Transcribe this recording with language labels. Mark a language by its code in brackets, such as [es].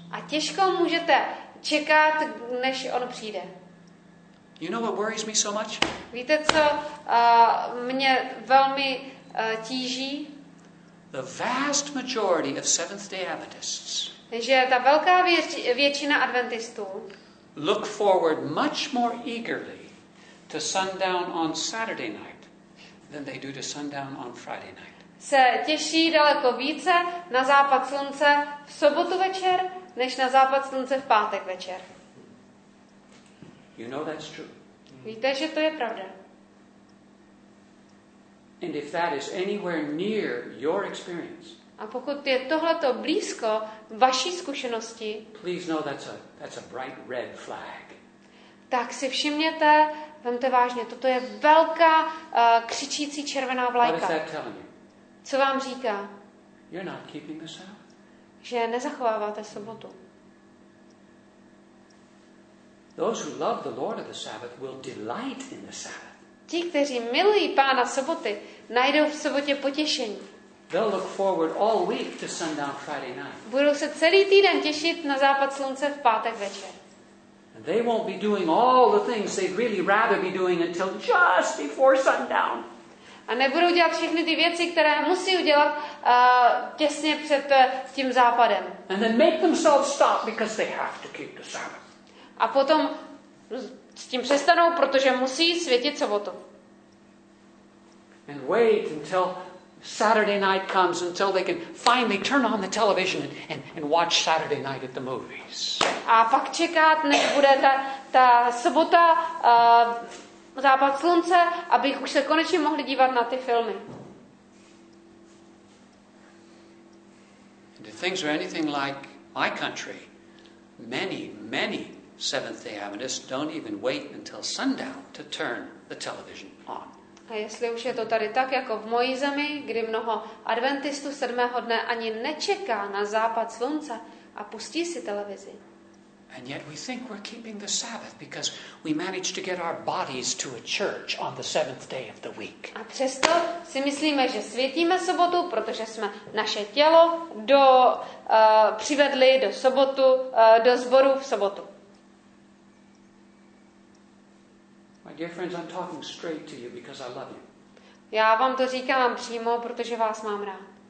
[cs] A těžko můžete čekat, než ono přijde. [en] You know what worries me so much? [cs] Víte, co mě velmi tíží? [en] The vast majority of Seventh-day Adventists. [cs] Že ta velká většina adventistů [en] look forward much more eagerly to sundown on Saturday night than they do to sundown on Friday night. [cs] Se těší daleko více na západ slunce v sobotu večer než na západ slunce v pátek večer. [en] You know that's true. [cs] Víte, že to je pravda. [en] And if that is anywhere near your experience. [cs] A pokud je tohleto blízko vaší zkušenosti. [en] Please know that's a bright red flag. [cs] Tak si všimněte, vemte vážně, toto je velká křičící červená vlajka. Co vám říká? [en] You're not keeping the Sabbath. [cs] Že nezachováváte sobotu. [en] Those who love the Lord of the Sabbath will delight in the Sabbath. [cs] Ti, kteří milují Pána soboty, najdou v sobotě potěšení. [en] They'll look forward all week to sundown Friday night. [cs] Budou se celý týden těšit na západ slunce v pátek večer. [en] And they won't be doing all the things they'd really rather be doing until just before sundown. [cs] A nebudou dělat všechny ty věci, které musí udělat těsně před tím západem. [en] And then make themselves stop because they have to keep the Sabbath. [cs] A potom s tím přestanou, protože musí světit sobotu. [en] And wait until Saturday night comes until they can finally turn on the television and watch Saturday night at the movies. [cs] A pak čekat, než bude ta sobota, západ slunce, abych už se konečně mohli dívat na ty filmy. [en] If things were anything like my country, many, many Seventh-day Adventists don't even wait until sundown to turn the television on. [cs] A jestli už je to tady tak, jako v mojí zemi, kdy mnoho adventistů sedmého dne ani nečeká na západ slunce a pustí si televizi. [en] And yet we think we're keeping the Sabbath because we managed to get our bodies to a church on the seventh day of the week. [cs] A přesto si myslíme, že světíme sobotu, protože jsme naše tělo přivedli do sobotu, do sboru v sobotu. [en] My dear friends, I'm talking straight to you because I love you. [cs] Já vám to říkám přímo, protože vás mám rád.